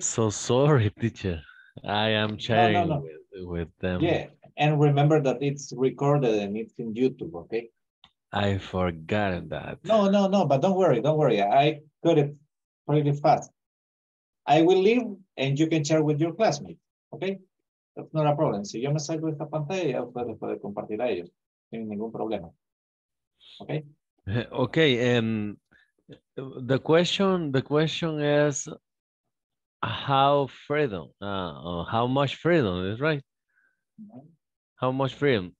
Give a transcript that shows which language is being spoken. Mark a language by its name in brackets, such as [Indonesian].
[English] So sorry, teacher. I am sharing with them. Yeah, and remember that it's recorded and it's in YouTube. Okay. I forgot that. No. But don't worry. I got it pretty fast. I will leave, and you can share with your classmates. Okay. That's not a problem. [Spanish] Si yo me salgo de esta pantalla, ustedes pueden compartir a ellos sin ningún problema. [English] Okay. Okay, the question is how much freedom is right? How much freedom?